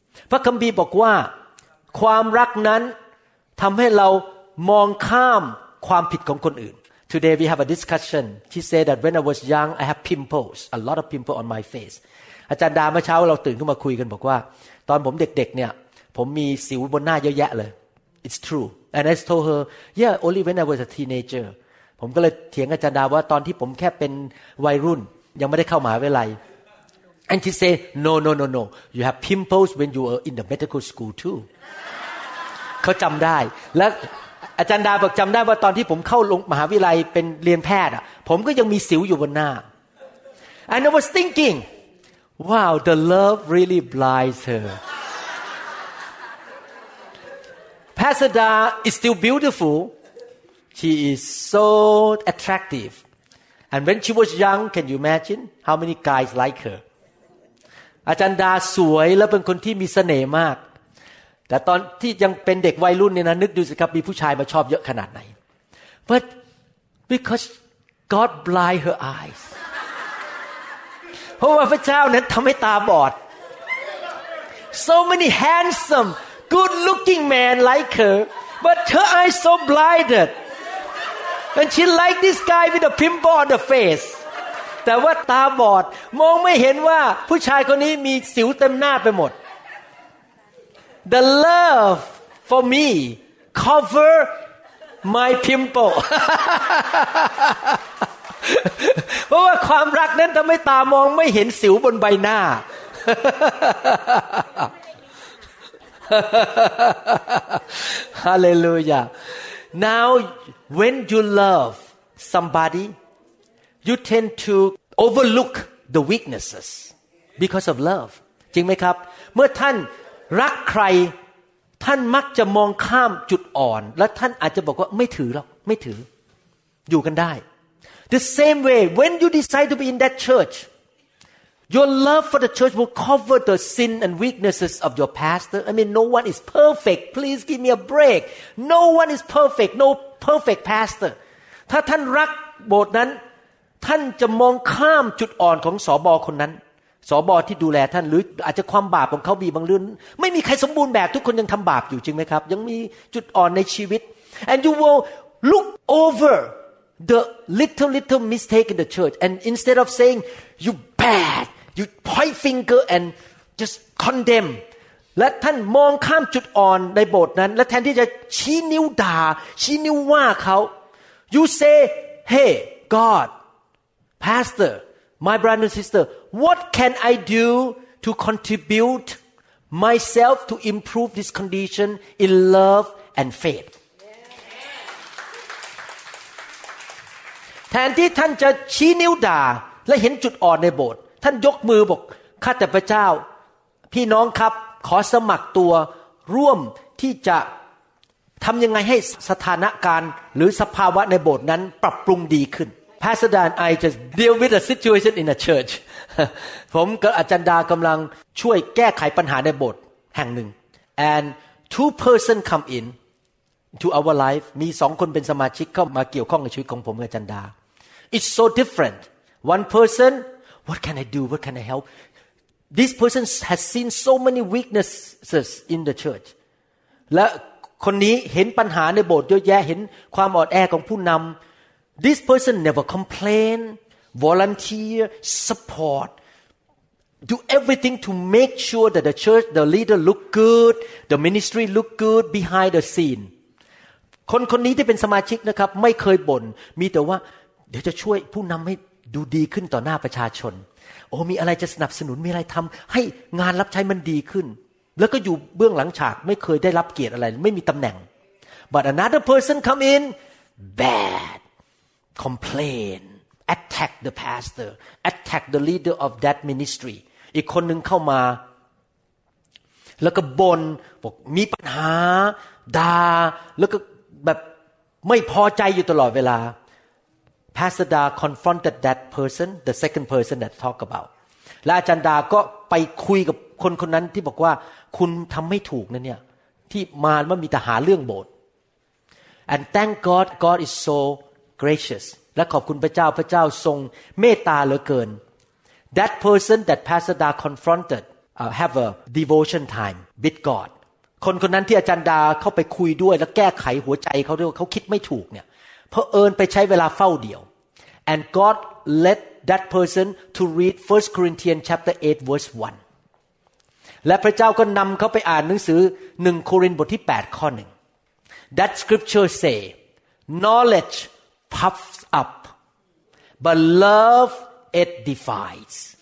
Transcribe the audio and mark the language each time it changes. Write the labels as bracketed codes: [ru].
[th] พระคัมภีร์บอกว่า ความรักนั้นทำให้เรามองข้ามความผิดของคนอื่น [en] Today we have a discussion. She said that when I was young, I have pimples, a lot of pimples on my face. [th] อาจารย์ดาเมื่อเช้าเราตื่นขึ้นมาคุยกันบอกว่าตอนผมเด็กๆเนี่ยผมมีสิวบนหน้าเยอะแยะเลย [en] It's true. And I told her, yeah, only when I was a teenager. [th] ผมก็เลยเถียงอาจารย์ดาว่าตอนที่ผมแค่เป็นวัยรุ่นยังไม่ได้เข้ามหาวิทยาลัย [en] And she said, no, no, no, no. You have pimples when you were in the medical school too. [th] เขาจำได้และอาจารย์ดาบอกจำได้ว่าตอนที่ผมเข้าลงมหาวิทยาลัยเป็นเรียนแพทย์อ่ะผมก็ยังมีสิวอยู่บนหน้า [en] And I was thinking, wow, the love really blinds her. Pastor Da is still beautiful. She is so attractive. And when she was young, can you imagine how many guys like her? [th] อาจารย์ดาสวยและเป็นคนที่มีเสน่ห์มากแต่ตอนที่ยังเป็นเด็กวัยรุ่นเนี่ยนะนึกดูสิครับมีผู้ชายมาชอบเยอะขนาดไหน [en] But because God blind her eyes [th] เพราะว่าพระเจ้านั้นทำให้ตาบอด [en] So many handsome good looking men like her but her eyes so blinded and she like this guy with a pimple on the face [th] แต่ว่าตาบอดมองไม่เห็นว่าผู้ชายคนนี้มีสิวเต็มหน้าไปหมด [en] The love for me cover my pimple [th] เพราะว่าความรักนั้นทำให้ตามองไม่เห็นสิวบนใบหน้า [en] Hallelujah Now when you love somebody you tend toOverlook the weaknesses because of love. [th] จริงไหมครับเมื่อท่านรักใครท่านมักจะมองข้ามจุดอ่อนและท่านอาจจะบอกว่าไม่ถือหรอกไม่ถืออยู่กันได้ [en] The same way when you decide to be in that church, your love for the church will cover the sin and weaknesses of your pastor. I mean, no one is perfect. Please give me a break. No one is perfect. No perfect pastor. [th] ถ้าท่านรักโบสถ์นั้นท่านจะมองข้ามจุดอ่อนของสบคนนั้นสบที่ดูแลท่านหรืออาจจะความบาปของเขามีบางเรื่องไม่มีใครสมบูรณ์แบบทุกคนยังทำบาปอยู่จริงไหมครับยังมีจุดอ่อนในชีวิต [en] and you will look over the little mistake in the church and instead of saying you bad you point finger and just condemn [th] และท่านมองข้ามจุดอ่อนในโบสถ์นั้นและแทนที่จะชี้นิ้วด่าชี้นิ้วว่าเขา [en] you say hey GodPastor, my brother and sister, what can I do to contribute myself to improve this condition in love and faith? [th] แทนที่ท่านจะชี้นิ้วด่าและเห็นจุดอ่อนในโบสถ์ท่านยกมือบอกข้าแต่พระเจ้าพี่น้องครับขอสมัครตัวร่วมที่จะทำยังไงให้สถานการณ์หรือสภาวะในโบสถ์นั้นปรับปรุงดีขึ้น [en] Pastor Dan, I just deal with a situation in a church. [th] ผมกับอาจารย์ดากำลังช่วยแก้ไขปัญหาในโบสถ์แห่งหนึ่ง [en] And two person come in to our life. [th] มีสองคนเป็นสมาชิกเข้ามาเกี่ยวข้องในชีวิตของผมกับอาจารย์ดา [en] It's so different. One person, what can I do? What can I help? This person has seen so many weaknesses in the church. [th] และคนนี้เห็นปัญหาในโบสถ์เยอะแยะเห็นความอ่อนแอของผู้นำ [en] This person never complain, volunteer, support, do everything to make sure that the church, the leader look good, the ministry look good behind the scene. [th] คนคนนี้ที่เป็นสมาชิกนะครับไม่เคยบ่นมีแต่ว่าเดี๋ยวจะช่วยผู้นำให้ดูดีขึ้นต่อหน้าประชาชนโอ้มีอะไรจะสนับสนุนมีอะไรทำให้งานรับใช้มันดีขึ้นแล้วก็อยู่เบื้องหลังฉากไม่เคยได้รับเกียรติอะไรไม่มีตำแหน่ง [en] But another person come in, badcomplain attack the pastor attack the leader of that ministry [th] อีกคนนึงเข้ามาแล้วก็บ่นบอกมีปัญหาด่าแล้วก็แบบไม่พอใจอยู่ตลอดเวลา [en] Pastor Da confronted that person the second person that talk about [th] และอาจารย์ดาก็ไปคุยกับคนคนนั้นที่บอกว่าคุณทำไม่ถูกนะเนี่ยที่มาไม่มีแต่หาเรื่องโบส [en] and thank God God is soGracious. [th] และขอบคุณพระเจ้าพระเจ้าทรงเมตตาเหลือเกิน [en] That person that Pastor Da confronted have a devotion time with God. [th] คนคนนั้นที่อาจารย์ดาเข้าไปคุยด้วยแล้วแก้ไขหัวใจเขาด้วยเขาคิดไม่ถูกเนี่ยเพราะเอิญไปใช้เวลาเฝ้าเดียว [en] and God led that person to read 1 Corinthians chapter 8 verse 1 [th] และพระเจ้าก็นำเขาไปอ่านหนังสือ1โครินธ์บทที่8ข้อ1 [en] that scripture say knowledge puffs up but love edifies